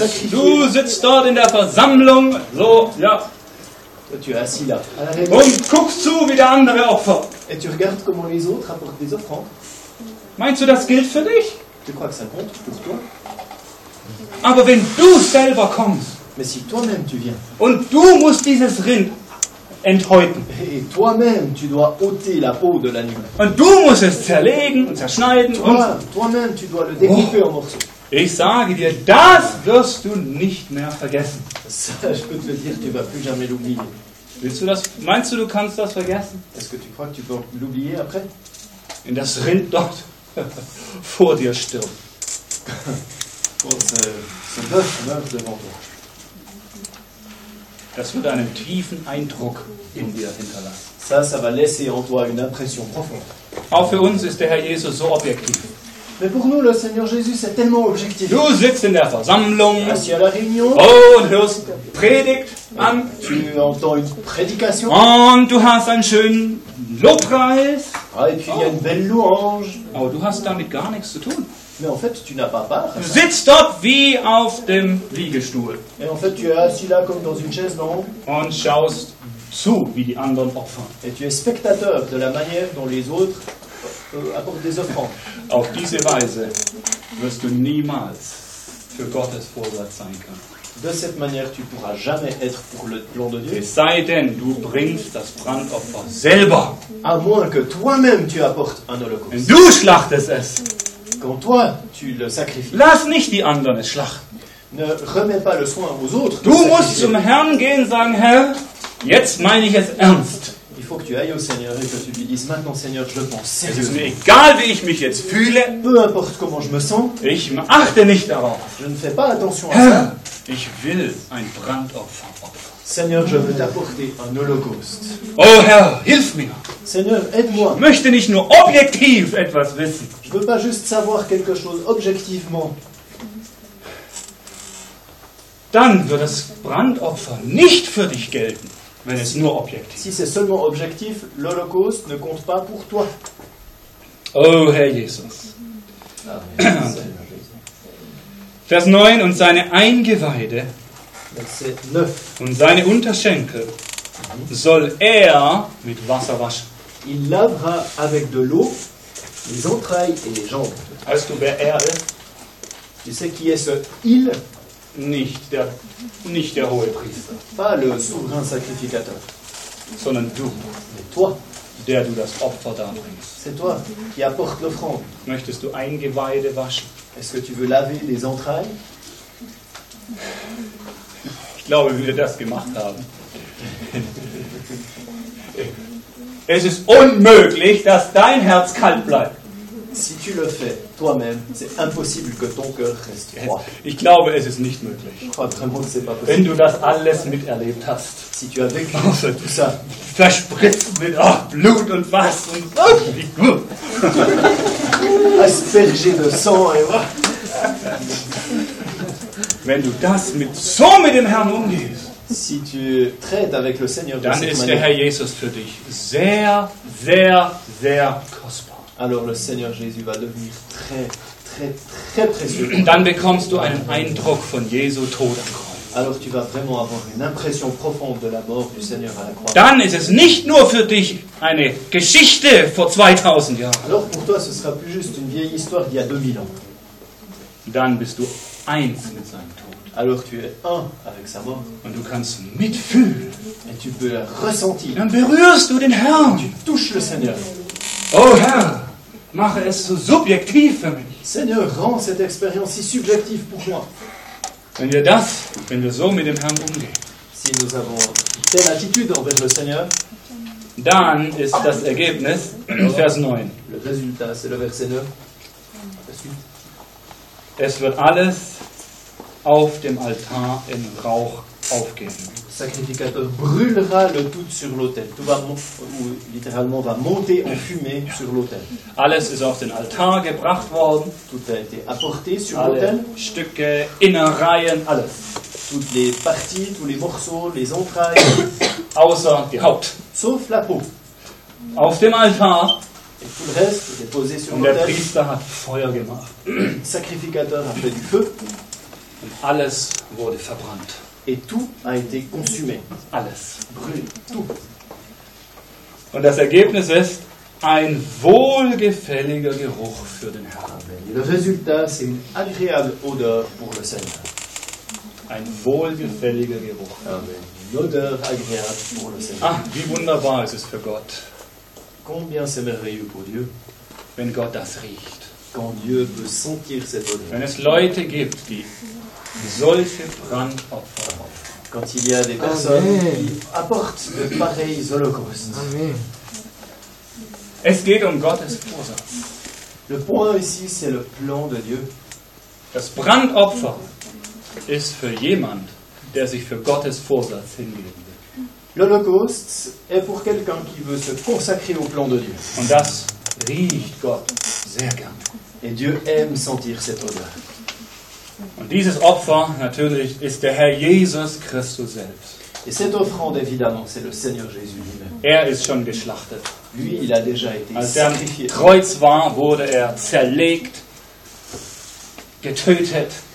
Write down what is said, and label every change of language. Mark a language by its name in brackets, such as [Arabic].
[German] Du sitzt dort in der Versammlung. So, ja. [French] Et tu es assis là. [German] Und guckst zu, wie der andere Opfer. [French] Et tu regardes comment les autres apportent des offrandes. [German] Meinst du, das gilt für dich? [French] Tu crois que ça compte pour toi? [German] Aber wenn du selber kommst, [French] mais si toi-même tu viens, [German] und du musst dieses Rind enthäuten, [French] et toi-même tu dois ôter la peau de l'animal, [German] und du musst es zerlegen und zerschneiden, [French] toi, [German] und [French] toi-même tu dois le découper en morceaux. [German] Ich sage dir, das wirst du nicht mehr vergessen. [French] Ça, je peux te dire, tu vas plus jamais l'oublier. [German] Willst du das, meinst du, du kannst das vergessen? [French] Est-ce que tu crois que tu peux l'oublier après? [German] In das Rind dort vor dir stirbt. Und [French] ce bœuf meurt devant toi. [German] Das wird einen tiefen Eindruck in dir hinterlassen. [French] Ça, ça va laisser en toi une impression profonde. [German] Auch für uns ist der Herr Jesus so objektiv. [French] Mais pour nous, le Seigneur Jésus, c'est tellement objectif. [German] Du sitzt in der Versammlung. [French] Assis à la réunion. [German] Oh, und hörst Predigt an. [French] Tu entends une prédication. [German] Und du hast einen schönen Lobpreis. [French] Ah, et puis il y a une belle louange. [German] Aber du hast damit gar nichts zu tun. [French] Mais en fait, tu n'as pas part. [German] Du sitzt dort wie auf dem Liegestuhl. [French] Et en fait, tu es assis là comme dans une chaise longue. [German] Und schaust zu, wie die anderen opfern. [French] Et tu es spectateur de la manière dont les autres apportent des offrandes. [German] Auf diese Weise wirst du niemals für Gottes Vorsatz sein können. [French] De cette manière, tu pourras jamais être pour le plan de Dieu. [German] Es sei denn, du bringst das Brandopfer selber. [French] À moins que toi-même tu apportes un holocauste. [German] Du schlachtest es. [French] Quand toi, tu le sacrifies. [German] Lass nicht die anderen es schlachten. [French] Ne remets pas le soin aux autres. [German] Du musst zum Herrn gehen, sagen, Herr, jetzt meine ich es ernst. [French] Il faut que tu ailles au Seigneur et que tu lui dises maintenant, Seigneur, je le pense sérieusement. [German] Es ist mir egal, wie ich mich jetzt fühle. [French] Peu importe comment je me sens. [German] Ich achte nicht darauf. [French] Je ne fais pas attention [German] Herr, [French] à ça. [German] Ich will ein Brandopfer. [French] Seigneur, je veux t'apporter un holocauste. [German] Oh Herr, hilf mir. [French] Seigneur, aide-moi. [German] Ich möchte nicht nur objektiv etwas wissen. [French] Je veux pas juste savoir quelque chose objectivement. [German] Dann wird das Brandopfer nicht für dich gelten. Wenn es nur objektiv. [French] Si c'est seulement objectif, l'Holocauste ne compte pas pour toi. [German] Oh, Herr Jesus. Vers 9, und seine Eingeweide und seine Unterschenkel soll er mit Wasser waschen. [French] Il lavera avec de l'eau les entrailles et les jambes. [German] Weißt du, wer er ist? [French] Tu sais qui est ce il? [German] Nicht der hohe Priester. [French] Pas le souverain sacrificateur. [German] Sondern du. [French] Mais toi. [German] Der du das Opfer darbringst. [French] C'est toi qui apporte l'offrande. [German] Möchtest du Eingeweide waschen? [French] Est-ce que tu veux laver les entrailles? [German] Ich glaube, wie wir das gemacht haben. Es ist unmöglich, dass dein Herz kalt bleibt. [French] Si tu le fais toi-même, c'est impossible que ton cœur reste froid. [German] Ich glaube, es ist nicht möglich. [French] Je crois vraiment que c'est pas possible. [German] Wenn du das alles miterlebt hast, [French] si tu as vécu tout ça, [German] verspritzt mit Blut und was und wie gut. [French] Aspergé de sang et voilà. [German] Wenn du das mit so mit dem Herrn umgehst, [French] si tu traites avec le Seigneur de cette manière, [German] dann ist der Herr Jesus für dich sehr, sehr, sehr kostbar. [French] Alors le Seigneur Jésus va devenir très, très, très précieux. [German] Dann bekommst du einen Eindruck von Jesu Tod am Kreuz. [French] Alors tu vas vraiment avoir une impression profonde de la mort du Seigneur à la croix. [German] Dann ist es nicht nur für dich eine Geschichte vor 2000 Jahren. [French] Alors pour toi, ce sera plus juste une vieille histoire d'il y a 2000 ans. [German] Dann bist du eins mit seinem Tod. [French] Alors tu es un avec sa mort. [German] Und du kannst mitfühlen. [French] Et tu peux la ressentir. [German] Dann berührst du den Herrn. [French] Tu touches le Seigneur. [German] Oh Herr, mache es so subjektiv für mich. [French] Seigneur, rends cette expérience si subjective pour moi. [German] Wenn wir das, wenn wir so mit dem Herrn umgehen, [French] si nous avons telle attitude envers le Seigneur, [German] dann ist das Ergebnis Vers 9. [French] Le résultat, c'est le verset 9. La suite. [German] Es wird alles auf dem Altar in Rauch aufgehen. [French] Sacrificateur brûlera le tout sur l'autel. Tout va, ou littéralement, va monter en fumée sur l'autel. [German] Alles ist auf den Altar gebracht worden. [French] Tout a été apporté sur [German] Alle [French] l'autel. [German] Stücke, Innereien, alles. [French] Toutes les parties, tous les morceaux, les entrailles. [German] Außer die Haut. [French] Sauf la peau. [German] Auf dem Altar. [French] Et tout le reste est posé sur l'autel. [German] Und der Priester hat Feuer gemacht. [French] Sacrificateur a fait du feu. [German] Und alles wurde verbrannt. [French] Et tout a été consumé. [German] Alles. [French] Brûlé. Tout. [German] Und das Ergebnis ist ein wohlgefälliger Geruch für den Herrn. [French] Et le résultat, c'est une agréable odeur pour le Seigneur. [German] Ein wohlgefälliger Geruch. Amen. [French] Une odeur agréable pour le Seigneur. [German] Ah, wie wunderbar ist es für Gott. [French] Combien c'est merveilleux pour Dieu. [German] Wenn Gott das riecht. [French] Quand Dieu peut sentir cette odeur. [German] Wenn es Leute gibt, die solche Brandopfer. [French] Quand il y a des personnes Amen. Qui apportent de pareils holocaustes. Amen. [German] Es geht Gottes Vorsatz. [French] Le point ici, c'est le plan de Dieu. [German] Das Brandopfer ist für jemand, der sich für Gottes Vorsatz hingeben will. [French] L'holocauste est pour quelqu'un qui veut se consacrer au plan de Dieu. [German] Und das riecht Gott sehr gern. [French] Et Dieu aime sentir cette odeur. [German] Und dieses Opfer natürlich ist der Herr Jesus Christus selbst. [French] Et cette offrande évidemment, c'est le Seigneur Jésus lui-même. [German] Er ist schon geschlachtet. [French] Lui, il a déjà été [German] Als er [French] sacrifié. [German] Am Kreuz war, wurde er zerlegt, getötet,